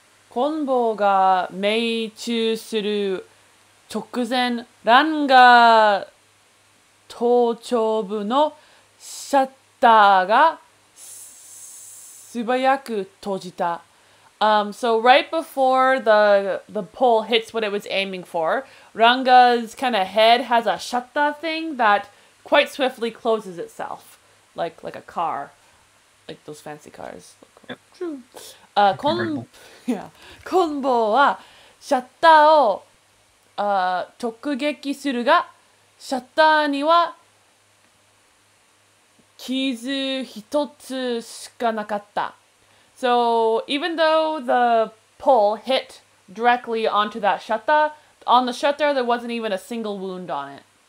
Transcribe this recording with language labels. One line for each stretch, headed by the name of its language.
Japanese: コンボが命中する直前、ランガ頭頂部のシャッターが素早く閉じた。
English: So right before the pole hits what it was aiming for, Ranga's kind of head has a shutter thing that quite swiftly closes itself, like a car, like those fancy cars.
Japanese: コンボはシャッターを直撃するが、シャッターには傷一つしかなかった。
English: So, even though the pole hit directly onto that shutter, on the shutter there wasn't even a single wound on it.